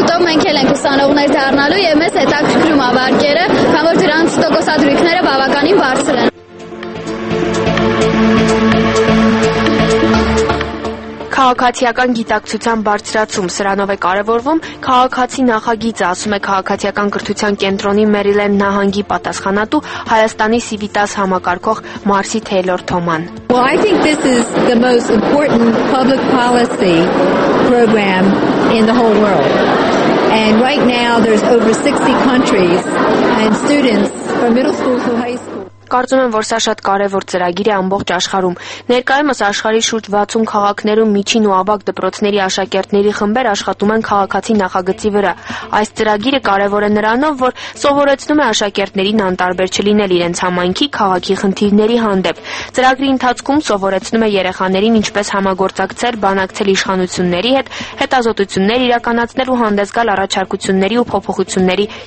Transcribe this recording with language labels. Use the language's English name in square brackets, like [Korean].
[Armenian] շուտով մենք էլ ենք ուսանողներ դառնալու եւ մեզ հետաքրքրում ավարկերը, քան որ դրանց տոկոսադրույքները բավականին բարձր են։ Քաղաքացիական գիտակցության բարձրացում սրանով է կարևորվում, քաղաքացի նախագիծը, ասում է քաղաքացիական կրթության կենտրոնի Մերիլենդ նահանգի պատասխանատու Հայաստանի Սիվիտաս համակարգող Մարսի Թեյլոր Թոման։ [English] Well, I think this is the most important public policy program in the whole world. And right now there's over 60 countries and students from middle school to high school. [Armenian] Կարծում եմ, որ սա շատ կարևոր ծրագիր է ամբողջ աշխարհում։ Ներկայումս աշխարհի շուրջ 60 քաղաքներում միջին ու ավագ դպրոցների աշակերտների խմբեր աշխատում են քաղաքացի նախագծի վրա։ Այս ծրագիրը կարևոր է նրանով, որ սովորեցնում է աշակերտներին անտարբեր չլինել իրենց համայնքի քաղաքի խնդիրների հանդեպ։ Ծրագրի ընթացքում սովորեցնում է երեխաներին ինչպես համագործակցել բանակցել իշխանությունների հետ, հետազոտություններ իրականացնել ու հանդես գալ առաջարկությունների ու փոփոխությունների